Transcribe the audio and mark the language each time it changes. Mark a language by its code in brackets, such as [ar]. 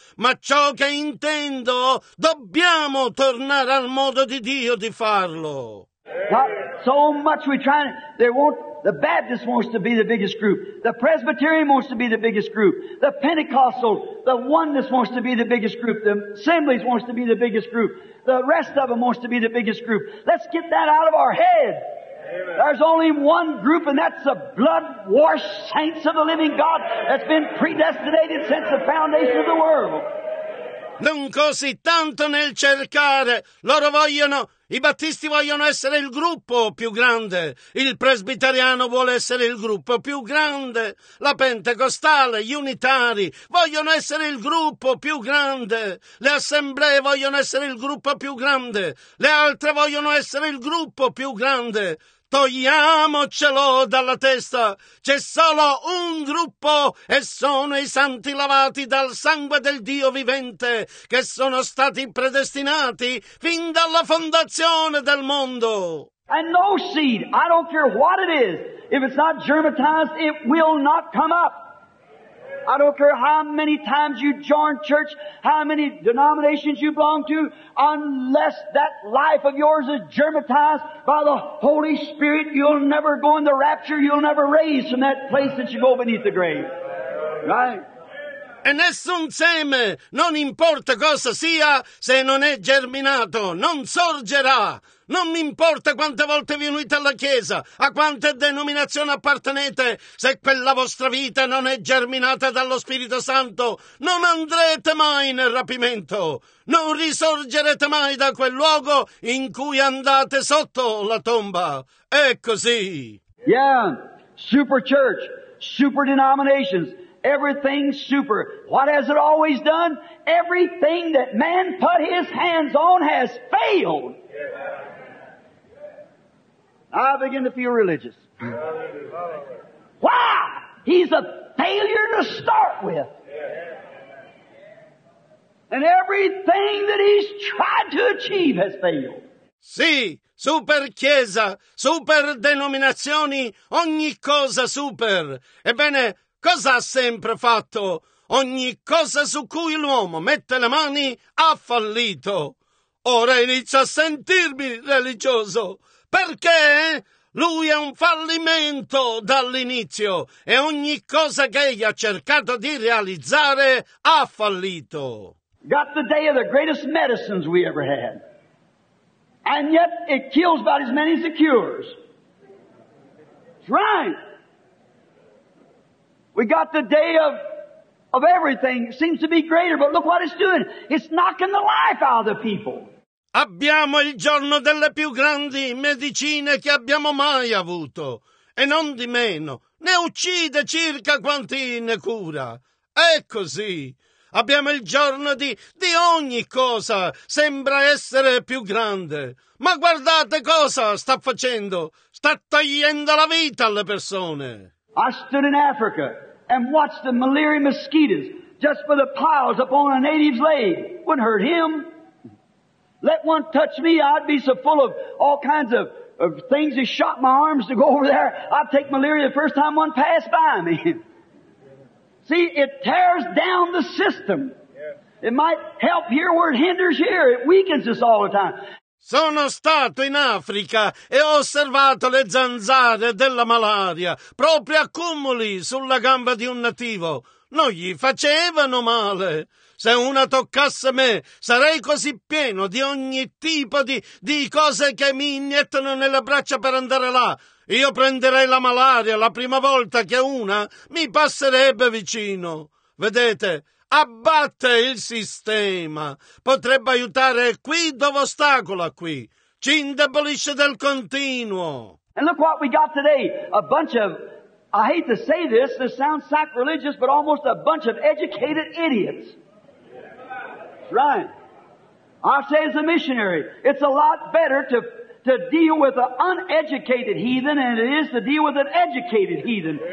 [it] Ma ciò che intendo, dobbiamo tornare al modo di Dio di farlo. [en] Not so much we try. They won't. The Baptist wants to be the biggest group. The Presbyterian wants to be the biggest group. The Pentecostal, the Oneness wants to be the biggest group. The Assemblies wants to be the biggest group. The rest of them wants to be the biggest group. Let's get that out of our head. There's only one group, and that's the blood-washed saints of the living God that's been predestinated since the foundation of the world. [it] Non così tanto nel cercare. Loro vogliono, i battisti vogliono essere il gruppo più grande. Il presbiteriano vuole essere il gruppo più grande. La pentecostale, gli unitari vogliono essere il gruppo più grande. Le assemblee vogliono essere il gruppo più grande. Le altre vogliono essere il gruppo più grande. Togliamocelo dalla testa, c'è solo un gruppo e sono i santi lavati dal sangue del Dio vivente che sono stati predestinati fin dalla fondazione del mondo. [en] And no seed, I don't care what it is, if it's not germinated, it will not come up. I don't care how many times you join church, how many denominations you belong to, unless that life of yours is germinized by the Holy Spirit, you'll never go in the rapture, you'll never raise from that place that you go beneath the grave. Right? [it] E nessun seme, non importa cosa sia, se non è germinato, non sorgerà. Non mi importa quante volte vi unite alla Chiesa, a quante denominazioni appartenete, se quella vostra vita non è germinata dallo Spirito Santo, non andrete mai nel rapimento. Non risorgerete mai da quel luogo in cui andate sotto la tomba. È così. [en] Yeah, super church, super denominations. Everything super. What has it always done? Everything that man put his hands on has failed. I begin to feel religious. Why? He's a failure to start with. And everything that he's tried to achieve has failed. [it] Sì, super chiesa, super denominazioni, ogni cosa super. Ebbene, cosa ha sempre fatto? Ogni cosa su cui l'uomo mette le mani ha fallito. Ora inizio a sentirmi religioso. Perché? Lui è un fallimento dall'inizio e ogni cosa che egli ha cercato di realizzare ha fallito. [en] Got the day of the greatest medicines we ever had. And yet it kills about as many as it cures. That's right. We got the day of everything. It seems to be greater, but look what it's doing. It's knocking the life out of the people. [it] Abbiamo il giorno delle più grandi medicine che abbiamo mai avuto. E non di meno. Ne uccide circa quanti ne cura. È così. Abbiamo il giorno di ogni cosa. Sembra essere più grande. Ma guardate cosa sta facendo. Sta togliendo la vita alle persone. [en] I stood in Africa and watched the malaria mosquitoes just for the piles upon a native's leg. Wouldn't hurt him. Let one touch me, I'd be so full of all kinds of things that shot my arms to go over there. I'd take malaria the first time one passed by me. See, it tears down the system. It might help here where it hinders here. It weakens us all the time. [it] Sono stato in Africa e ho osservato le zanzare della malaria, proprio accumuli sulla gamba di un nativo. Non gli facevano male. Se una toccasse me, sarei così pieno di ogni tipo di cose che mi iniettano nelle braccia per andare là. Io prenderei la malaria la prima volta che una mi passerebbe vicino. Vedete, abbatte il sistema. Potrebbe aiutare qui dove ostacola qui. Ci indebolisce del continuo. [en] And look what we got today. A bunch of, I hate to say this, this sounds sacrilegious, but almost a bunch of educated idiots. Right. I say as a missionary, it's a lot better to deal with an uneducated heathen than it is to deal with an educated heathen.